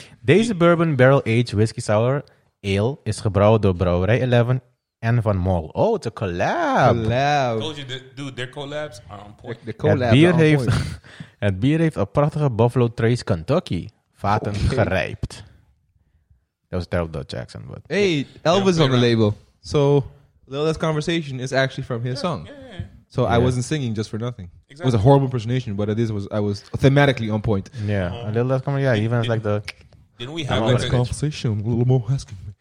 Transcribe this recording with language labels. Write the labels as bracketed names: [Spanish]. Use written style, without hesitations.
[Dutch] Deze bourbon barrel aged whiskey sour ale is gebrouwen door Brouwerij 11 en Van Mol. [English] Oh, it's a collab. Collab. I told you, their collabs are on point. The collab beer heeft, [Dutch] het bier heeft een prachtige Buffalo Trace Kentucky vaten gerijpt. [English] That was terrible, Dutch Jackson. But hey, Elvis on the label. So, a little less conversation is actually from his song. Yeah. So, yeah. I wasn't singing just for nothing. Exactly. It was a horrible impersonation, but at least I was thematically on point. Yeah. A little less conversation. Yeah, even like the. Didn't we have like a conversation? A little more asking me.